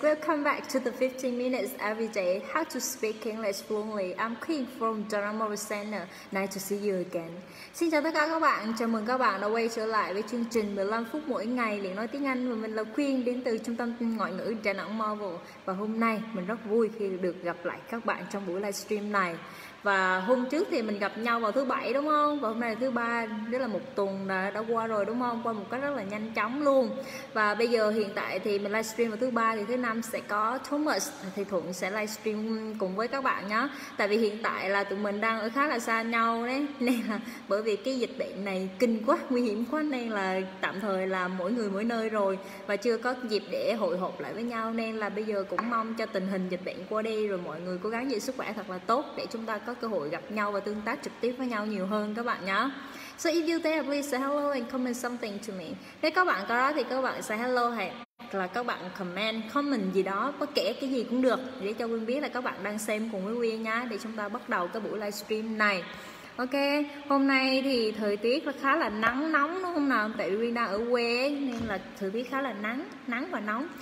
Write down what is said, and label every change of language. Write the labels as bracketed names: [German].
[English] Welcome back to the 15 Minutes Every Day, How to Speak English Fluently. I'm Quyen from Drama Center. Nice to see you again. [Vietnamese] Xin chào tất cả các bạn. Chào mừng các bạn đã quay trở lại với chương trình 15 phút mỗi ngày luyện nói tiếng Anh. Mình là Quyen đến từ trung tâm ngoại ngữ Drama Center. Và hôm nay mình rất vui khi được gặp lại các bạn trong buổi livestream này. Và hôm trước thì mình gặp nhau vào thứ bảy đúng không? Và hôm nay là thứ ba, rất là một tuần đã qua rồi đúng không? Qua một cách rất là nhanh chóng luôn. Và bây giờ hiện tại thì mình livestream vào thứ ba, thì thứ năm sẽ có Thomas, thầy Thuận sẽ livestream cùng với các bạn nhé. Tại vì hiện tại là tụi mình đang ở khá là xa nhau đấy, nên là bởi vì cái dịch bệnh này kinh quá, nguy hiểm quá, nên là tạm thời là mỗi người mỗi nơi rồi và chưa có dịp để hội họp lại với nhau, nên là bây giờ cũng mong cho tình hình dịch bệnh qua đi rồi mọi người cố gắng giữ sức khỏe thật là tốt để chúng ta có cơ hội gặp nhau và tương tác trực tiếp với nhau nhiều hơn các bạn nhé. [English] So if you're there, please say hello and comment something to me. [Vietnamese] Nếu các bạn có đó thì các bạn [English] say hello [Vietnamese] hoặc là các bạn comment gì đó, bất kể cái gì cũng được, để cho Quyên biết là các bạn đang xem cùng với Quyên nhá, để chúng ta bắt đầu cái buổi livestream này. Ok, hôm nay thì thời tiết khá là nắng nóng đúng không nào? Tại Quyên đang ở quê nên là thời tiết khá là nắng và nóng.